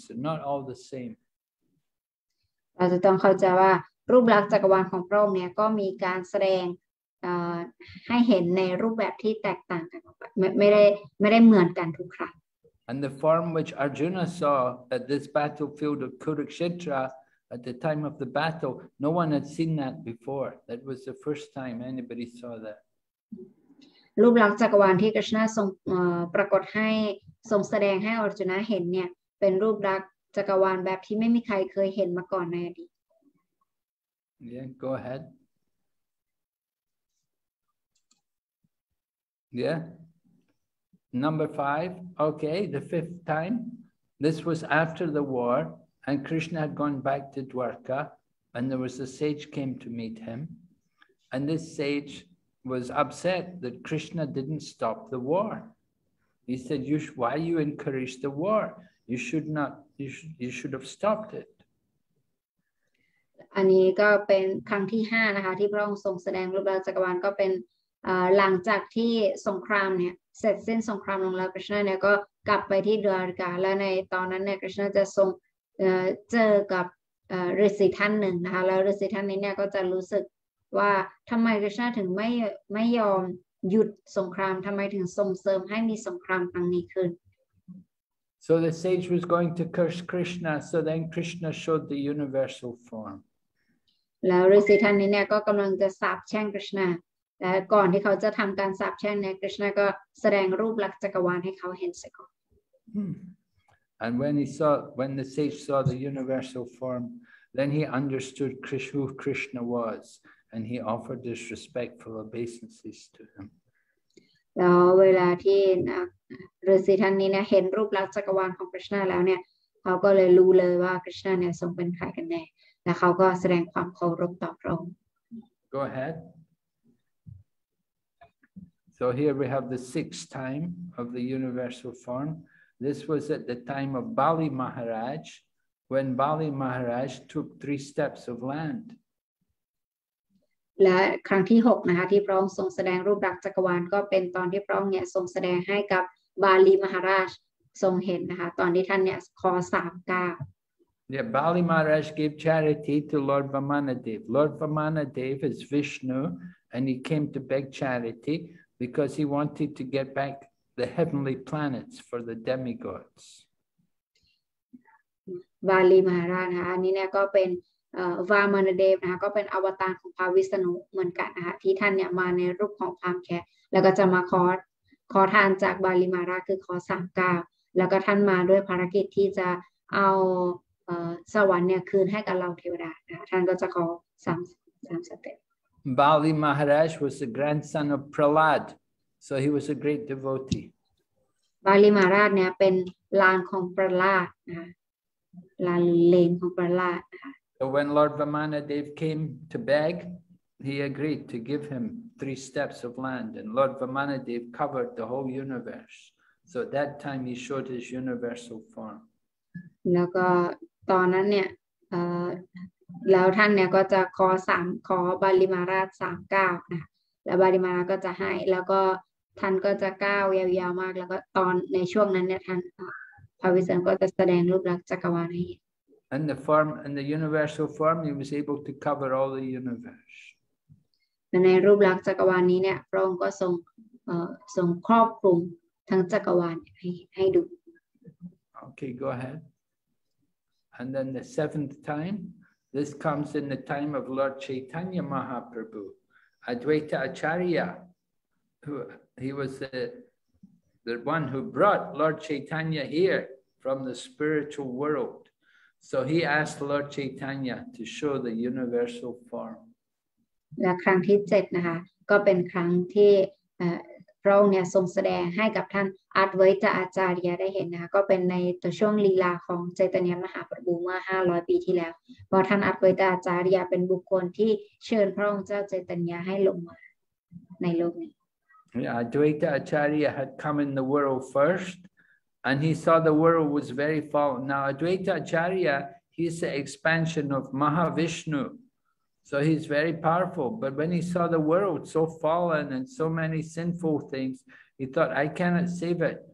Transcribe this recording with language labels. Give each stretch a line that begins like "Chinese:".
English: They're not all the same.
Thai: เราจะต้องเข้าใจว่ารูปลักษณ์จักรวาลของพระองค์เนี่ยก็มีการแสดงให้เห็นในรูปแบบที่แตกต่างกันไม่ได้เหมือนกันทุกครั้ง
English: And the form which Arjuna saw at this battlefield of Kurukshetra at the time of the battle no one had seen that before that was the first time anybody saw that
Thai: รูปลักษณ์จักรวาลที่คริชนาทรงปรากฏให้ทรงแสดงให้อัจจุนะเห็นเนี่ยเป็นรูปลักษณ์จักรวาลแบบที่ไม่มีใครเคยเห็นมาก่อนในอดีต
English: Yeah, go ahead. Yeah. Number five. Okay, the fifth time. This was after the war, and Krishna had gone back to Dwarka, and there was a sage came to meet him. And this sage was upset that Krishna didn't stop the war. He said, why you encourage the war? You should not, you should have stopped it.
Thai: อันนี้ก็เป็นครั้งที่5นะคะที่พระองค์ทรงแสดงรูปแบบจักรวาลก็เป็นหลังจากที่สงครามเนี่ยเสร็จสิ้นสงครามลงแล้วคริชนาเนี่ยก็กลับไปที่ดวารกาและในตอนนั้นเนี่ยคริชนาจะทรงเจอกับฤาษีท่านหนึ่งนะคะแล้วฤาษีท่านนี้เนี่ยก็จะรู้สึกว่าทำไมคริชนาถึงไม่ยอมหยุดสงครามทำไมถึงส่งเสริมให้มีสงครามครั้งนี้ขึ้น
English: So the sage was going to curse Krishna so then Krishna showed the universal form
Thai: แล้วฤาษีท่านนี้เนี่ยก็กำลังจะสาปแช่งคริชนาและก่อนที่เขาจะทำการสาปแช่งเนี่ยคริชนาก็แสดงรูปลักษณ์จักรวาลให้เขาเห็นเสียก่อน
English: And when he saw when the sage saw the universal form then he understood who Krishna was and he offered his respectful obeisances to him
Thai: แล้วเวลาที่ฤาษีท่านนี้เนี่ยเห็นรูปลักษณ์จักรวาลของคริชนาแล้วเนี่ยเขาก็เลยรู้เลยว่าคริชนาเนี่ยทรงเป็นใครกันแน่และเขาก็แสดงความเคารพต่อพระองค์
English: Go ahead. So here we have the sixth time of the universal form. This was at the time of Bali Maharaj, when Bali Maharaj took three steps of land.
Thai: และครั้งที่6นะคะที่พระองค์ทรงแสดงรูปลักษณ์จักรวาลก็เป็นตอนที่พระองค์เนี่ยทรงแสดงให้กับบาลีมหาราชทรงเห็นนะคะตอนที่ท่านเนี่ยขอ3ก้าว
English: Yeah, Bali Maharaj gave charity to Lord Vamanadeva. Lord Vamanadeva is Vishnu, and he came to beg charity because he wanted to get back the heavenly planets for the demigods.
Thai: Bali Maharaj, ha, นี่เนี่ยก็เป็น Vamanadeva นะคะก็เป็นอวตารของพระวิษณุเหมือนกันนะคะที่ท่านเนี่ยมาในรูปของความแค่แล้วก็จะมาขอทานจาก Bali Maharaj คือขอสามก้าวแล้วก็ท่านมาด้วยภารกิจที่จะเอาสวรรค์เนี่ยคืนให้กับเราเทวดานะท่านก็จะขอ3สเต็ป
English: Bali Maharaj was the grandson of Prahlad so he was a great devotee
Thai: Bali Maharaj เนี่ยเป็นหลานของ Prahlad นะหลานเลี้ยงของ Prahlad
English: So when Lord Vamanadeva came to beg he agreed to give him three steps of land and Lord Vamanadeva covered the whole universe so at that time he showed his universal form
Thai: แล้วก็ตอนนั้นเนี่ยแล้วท่านเนี่ยก็จะขอ3ขอบาลีมาราช3ก้าวนะแล้วบาลีมาราชก็จะให้แล้วก็ท่านก็จะก้าวยาวๆมากแล้วก็ตอนในช่วงนั้นเนี่ยท่านพระวิษณุก็จะแสดงรูปลักษณ์จักรวาลให้เห็น
English: And the form and the universal form he was able to cover all the universe
Thai: ในรูปลักษณ์จักรวาลนี้เนี่ยพระองค์ก็ทรงครอบคลุมทั้งจักรวาลให้ดู
English: Okay go aheadAnd then the seventh time, this comes in the time of Lord Chaitanya Mahaprabhu, Advaita Acharya, who he was the one who brought Lord Chaitanya here from the spiritual world. So he asked Lord Chaitanya to show the universal form.
Thai: และครั้งที่เจ็ดนะคะก็เป็นครั้งที่พระองค์เนี่ยทรงแสดงให้กับท่านAdvaita Acharya ได้เห็นนะคะก็เป็นในช่วงลีลาของเจตนียมหาประบูเมื่อ500ปีที่แล้วเพราะท่าน Advaita Acharya เป็นบุคคลที่เชิญพระองค์เจ้าเจตนียให้ลงมาในโลกนี้
English: Yeah, Advaita Acharya had come in the world first and he saw the world was very fallen. Now Advaita Acharya, he's the expansion of Mahavishnu. So he's very powerful. But when he saw the world so fallen and so many sinful things,He thought, I cannot save it.